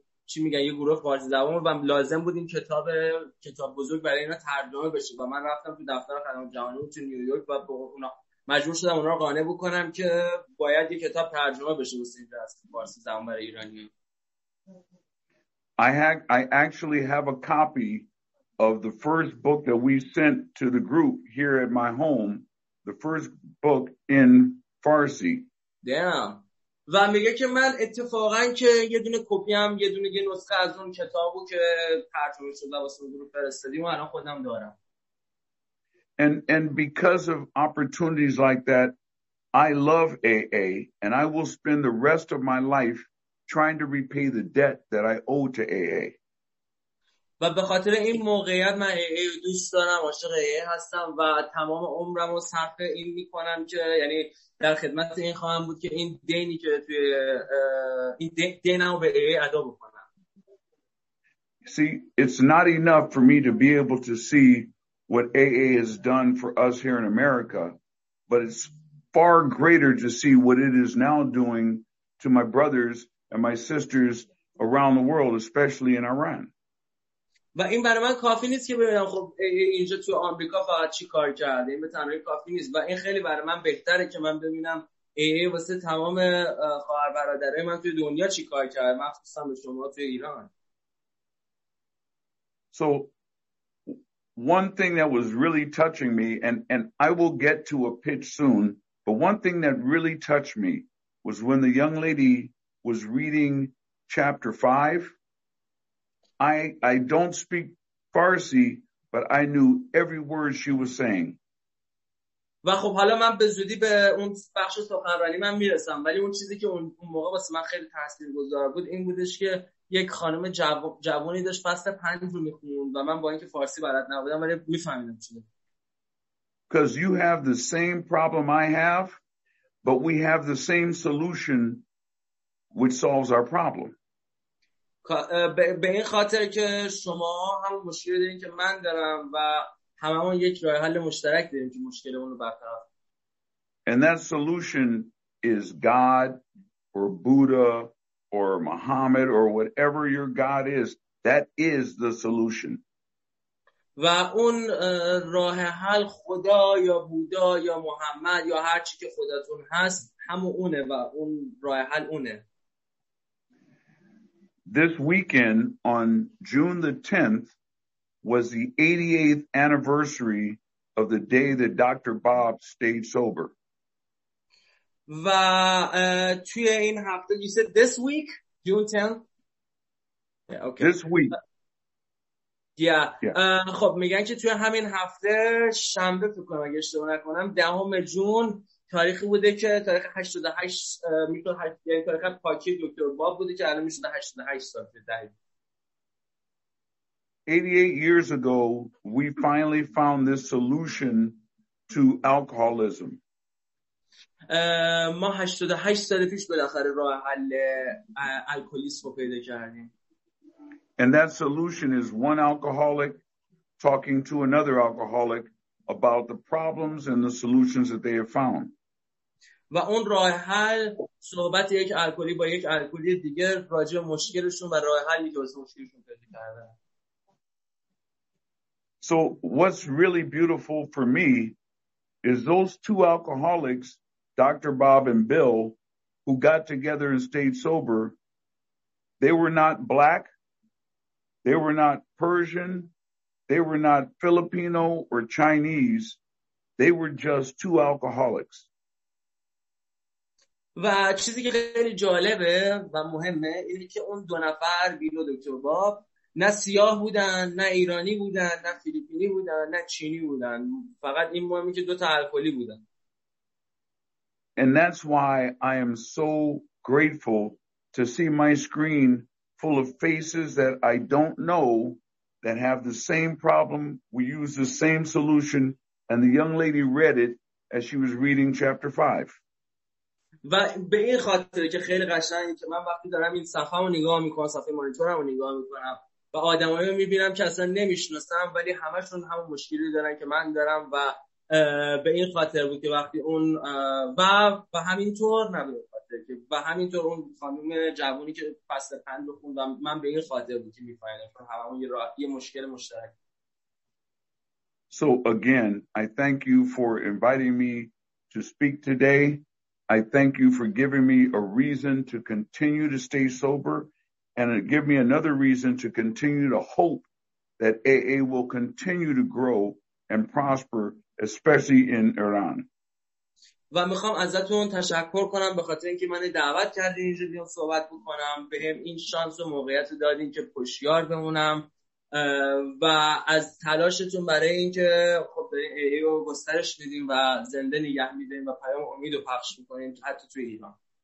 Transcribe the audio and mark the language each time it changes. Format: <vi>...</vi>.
<fa>چی میگن یه گروه فارسی زبان و لازم بود این کتاب کتاب بزرگ برای اینا ترجمه بشه و من رفتم تو دفتر خدمات جهانی تو نیویورک و با اونا مجبور شدم اونا رو قانع بکنم که باید یه کتاب ترجمه بشه واسه این درست فارسی زبان برای ایرانی.</fa> <en>I actually have a copy of the first book that we sent to the group here at my home, the first book in Farsi. Damn.</en> <fa>و میگه که من اتفاقا که یه دونه کپی هم یه دونه یه نسخه از اون کتابو که ترجمه شده واسه گروه فرستادیم الان خودم دارم.</fa> <en>And because of opportunities like that, I love AA and I will spend the rest of my life trying to repay the debt that I owe to AA.</en> <fa>و به خاطر این موقعیت من AA رو دوست دارم، عاشق AA هستم و تمام عمرم رو صرف این میکنم که یعنی در خدمت این خواهم بود که این دینی که توی این دینم رو به AA ادا بکنم.</fa> <en>See, it's not enough for me to be able to see what AA has done for us here in America, but it's far greater to see what it is now doing to my brothers and my sisters around the world, especially in Iran.</en> <fa>و این برای من کافی نیست که ببینم خب اینجا تو آمریکا فقط چی کار کرده، این به تنهایی کافی نیست و این خیلی برای من بهتره که من ببینم AA واسه تمام خواهر برادرای من توی دنیا چی کار کرده، مخصوصا به شما توی ایران.</fa> <en>So one thing that was really touching me and I will get to a pitch soon, but one thing that really touched me was when the young lady was reading chapter 5. I don't speak Farsi, but I knew every word she was saying.</en> <fa>و خب حالا من به زودی به اون بخش سخنرانی من میرسم، ولی اون چیزی که اون موقع واسه من خیلی تاثیرگذار بود این بودش که یک خانم جوانی داشت فصل 5 رو میخوند و من با اینکه فارسی بلد نبودم ولی میفهمیدم چی بود.</fa> <en>Cuz you have the same problem I have, but we have the same solution which solves our problem.</en> <fa>به این خاطر که شما هم مشکلی دارین که من دارم و هممون یک راه حل مشترک داریم که مشکلمون رو برطرف.</fa> <en>And that solution is God or Buddha or Muhammad or whatever your God is. That is the solution.</en> <fa>و اون راه حل خدا یا بودا یا محمد یا هر چی که خودتون هست همون اونه و اون راه حل اونه.</fa> <en>This weekend on June the 10th was the 88th anniversary of the day that Dr. Bob stayed sober.</en> <fa>و توی این هفته</fa> <en>you said this week June 10th. Yeah, okay. This week. Yeah.</en> <fa>خب میگن که توی همین هفته شنبه فکر کنم اگه اشتباه نکنم 10 جون تاریخی بوده که تاریخ 88 میتون یعنی تاریخ پاکی دکتر باب بوده که الان میشه 88 سال دیگه.</fa> <en>88 years ago we finally found this solution to alcoholism.</en> <fa>ما 88 سال پیش بالاخره راه حل الکلیسم رو پیدا کردیم.</fa> <en>And that solution is one alcoholic talking to another alcoholic about the problems and the solutions that they have found.</en> <fa>و اون راه حل صحبت یک الکلی با یک الکلی دیگر راجع به مشکلشون و راه حلی که واسه مشکلشون پیدا کردن.</fa> <en>So what's really beautiful for me is those two alcoholics, Dr. Bob and Bill, who got together and stayed sober, they were not black, they were not Persian, they were not Filipino or Chinese, they were just two alcoholics.</en> <fa>و چیزی که خیلی جالبه و مهمه اینه که اون دو نفر بیل و دکتر باب نه سیاه بودن، نه ایرانی بودن، نه فیلیپینی بودن، نه چینی بودن، فقط این مهمه که دو تا الکلی بودن.</fa> <en>And that's why I am so grateful to see my screen full of faces that I don't know that have the same problem. We use the same solution. And the young lady read it as she was reading chapter 5.</en> <fa>و به این خاطر که خیلی قشنگه که من وقتی دارم این صفحه رو نگاه میکنم، صفحه مانیتورم رو نگاه میکنم و آدم هایی رو میبینم که اصلا نمیشناسم ولی همشون همون مشکلی دارن که من دارم و به این خاطر بود که وقتی اون و همینطور نبود رفته که و همینطور اون خانم جوانی که فصل 5 رو خوندم من به این خاطر بود که میفهمیدم چون هممون یه مشکل مشترک.</fa> <en>So again, I thank you for inviting me to speak today. I thank you for giving me a reason to continue to stay sober and give me another reason to continue to hope that AA will continue to grow and prosper, especially in Iran.</en> <fa>و میخوام ازتون تشکر کنم به خاطر اینکه من دعوت کردین اینجا بیام صحبت بکنم، بهم این شانس و موقعیت رو دادین که پشتیار بمونم و از تلاشتون برای اینکه خب دارین AA رو گسترش میدین و زنده نگه میدین و پیام امید رو پخش میکنین حتی توی ایران.</fa>